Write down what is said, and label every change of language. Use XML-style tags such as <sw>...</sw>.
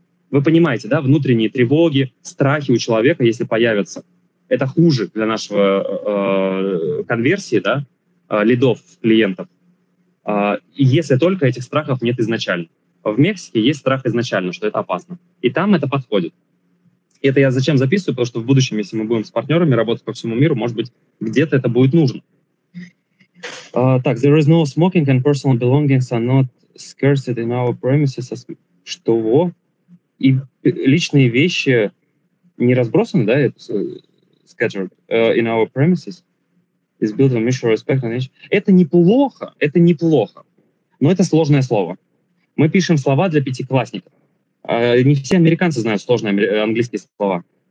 <ru>Вы понимаете, да, внутренние тревоги, страхи у человека, если появятся, это хуже для нашего конверсии, да, лидов, клиентов, если только этих страхов нет изначально. В Мексике есть страх изначально, что это опасно. И там это подходит. Это я зачем записываю? Потому что в будущем, если мы будем с партнерами работать по всему миру, может быть, где-то это будет нужно.</ru> <en>Так, there is no smoking and personal belongings are not scarcity in our premises.</en> <ru>Что? И личные вещи не разбросаны, да?</ru> <en>Scattered in our premises. It's built on mutual respect.</en> <ru>Это неплохо, это неплохо. Но это сложное слово. Мы пишем слова для пятиклассников. Не все американцы знают сложные английские слова.</ru>